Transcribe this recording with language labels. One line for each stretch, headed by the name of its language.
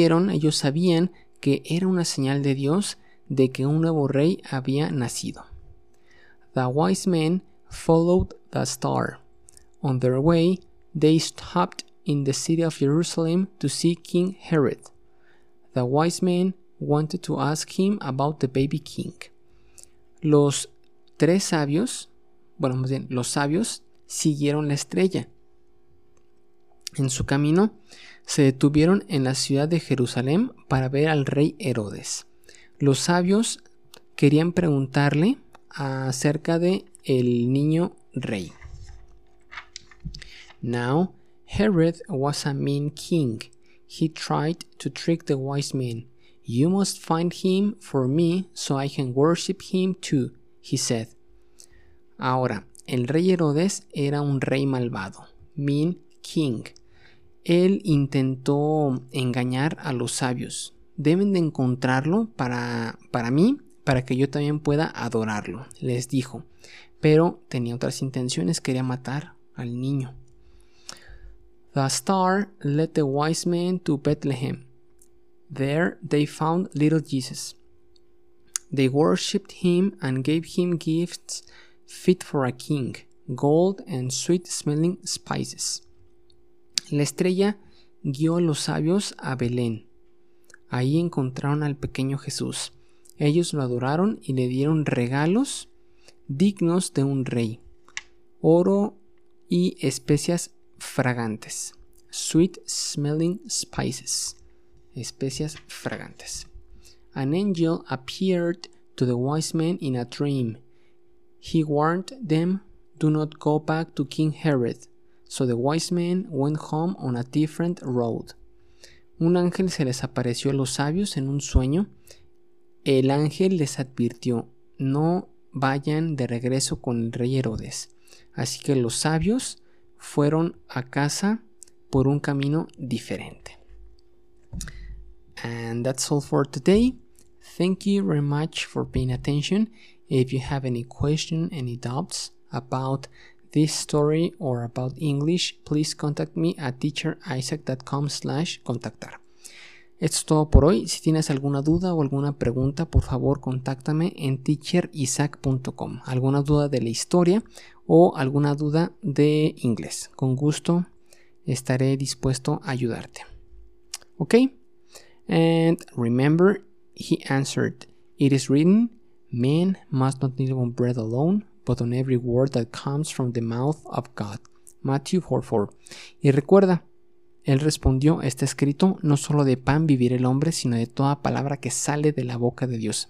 Spanish: Ellos sabían que era una señal de Dios de que un nuevo rey había nacido.
English: The wise men followed the star. On their way, they stopped in the city of Jerusalem to see King Herod. The wise men wanted to ask him about the baby king.
Spanish: Los tres sabios, bueno, más bien, los sabios siguieron la estrella. En su camino, se detuvieron en la ciudad de Jerusalén para ver al rey Herodes. Los sabios querían preguntarle acerca de el niño rey.
English: Now, Herod was a mean king. He tried to trick the wise men. You must find him for me so I can worship him too, he said.
Spanish: Ahora, el rey Herodes era un rey malvado,
English: mean king.
Spanish: Él intentó engañar a los sabios. Deben de encontrarlo para mí, para que yo también pueda adorarlo, les dijo. Pero tenía otras intenciones, quería matar al niño.
English: The star led the wise men to Bethlehem. There they found little Jesus. They worshipped him and gave him gifts fit for a king, gold and sweet-smelling spices.
Spanish: La estrella guió a los sabios a Belén. Ahí encontraron al pequeño Jesús. Ellos lo adoraron y le dieron regalos dignos de un rey. Oro y especias fragantes.
English: Sweet-smelling spices.
Spanish: Especias fragantes.
English: An angel appeared to the wise men in a dream. He warned them, "Do not go back to King Herod." So the wise men went home on a different road.
Spanish: Un ángel se les apareció a los sabios en un sueño. El ángel les advirtió, "No vayan de regreso con el rey Herodes." Así que los sabios fueron a casa por un camino diferente.
English: And that's all for today. Thank you very much for paying attention. If you have any question, any doubts about this story or about English, please contact me at teacherisaac.com/contactar.
Spanish: Esto es todo por hoy. Si tienes alguna duda o alguna pregunta, por favor, contáctame en teacherisaac.com. Alguna duda de la historia o alguna duda de inglés. Con gusto estaré dispuesto a ayudarte. ¿Ok?
English: And remember, he answered, it is written, man must not live on bread alone, but on every word that comes from the mouth of God. Matthew 4:4.
Spanish: Y recuerda, él respondió, está escrito, no solo de pan vivirá el hombre, sino de toda palabra que sale de la boca de Dios.